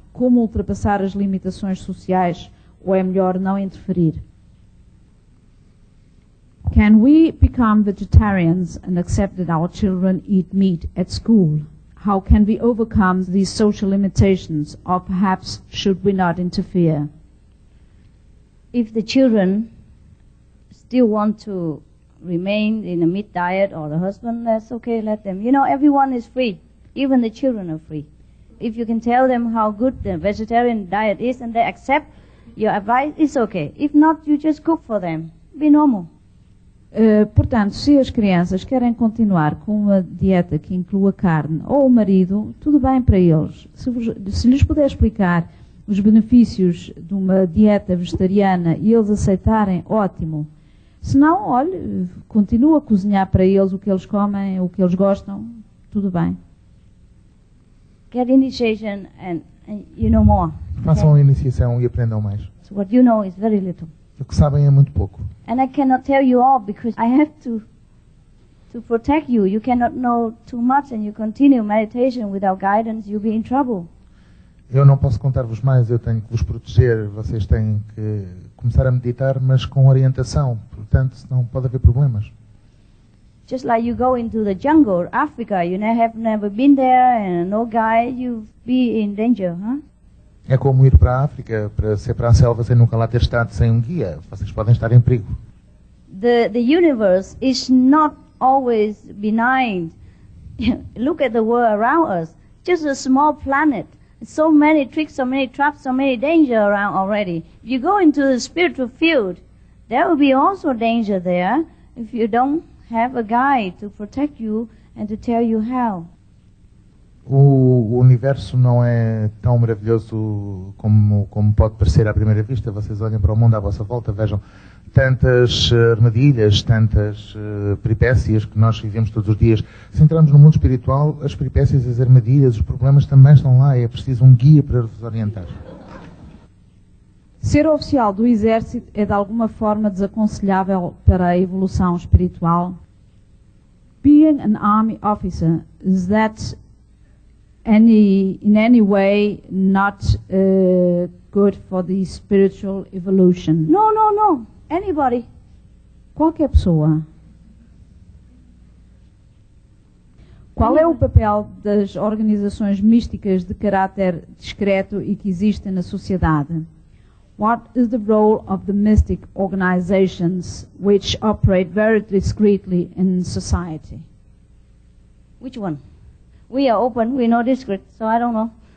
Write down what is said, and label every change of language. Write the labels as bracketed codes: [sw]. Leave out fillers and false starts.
[pt] Como ultrapassar as limitações sociais? Ou é melhor não interferir? [en] Can we become vegetarians and accept that our children eat meat at school? How can we overcome these social limitations? Or perhaps should we not interfere? If the children still want to remain in a meat diet, or the husband, that's okay, let them. Everyone is free. Even the children are free. If you can tell them how good the vegetarian diet is and they accept your advice, it's okay. If not, you just cook for them. Be normal. [pt] Portanto, se as crianças querem continuar com uma dieta que inclua carne ou o marido, tudo bem para eles. Se lhes puder explicar os benefícios de uma dieta vegetariana e eles aceitarem, ótimo. Se não, olhe, continua a cozinhar para eles o que eles comem, o que eles gostam, tudo bem. [en] Get initiation and you know more. [pt] Façam a iniciação e aprendam mais. [en] So what you know is very little. [pt] O que sabem é muito pouco. [en] And I cannot tell you all because I have to protect you. You cannot know too much and you continue meditation without guidance, you'll be in trouble. [pt] Eu não posso contar-vos mais, eu tenho que vos proteger, vocês têm que começar a meditar, mas com orientação, portanto, não pode haver problemas. [en] Just like you go into the jungle, Africa, you have never been there, and no guy, you be in danger, huh? [pt] É como ir para a África, para ser para a selva, sem nunca lá ter estado, sem um guia, vocês podem estar em perigo. [en] The universe is not always benign. Look at the world around us, just a small planet. So many tricks, so many traps, so many danger around already. If you go into the spiritual field, there will be also danger there if you don't have a guide to protect you and to tell you how. [pt] O universo não é tão maravilhoso como pode parecer à primeira vista. Vocês olhem para o mundo à vossa volta, vejam. tantas armadilhas, tantas peripécias que nós vivemos todos os dias. Se entrarmos no mundo espiritual, as peripécias, as armadilhas, os problemas também estão lá e é preciso um guia para vos orientar. Ser oficial do exército é de alguma forma desaconselhável para a evolução espiritual? [en] Being an army officer, is that in any way not good for the spiritual evolution? No. Anybody. [pt] Qualquer pessoa. Qual é o papel das organizações místicas de caráter discreto e que existem na sociedade? [en] What is the role of the mystic organizations which operate very discreetly in society? Which one? We are open, we are not discreet, so I don't know.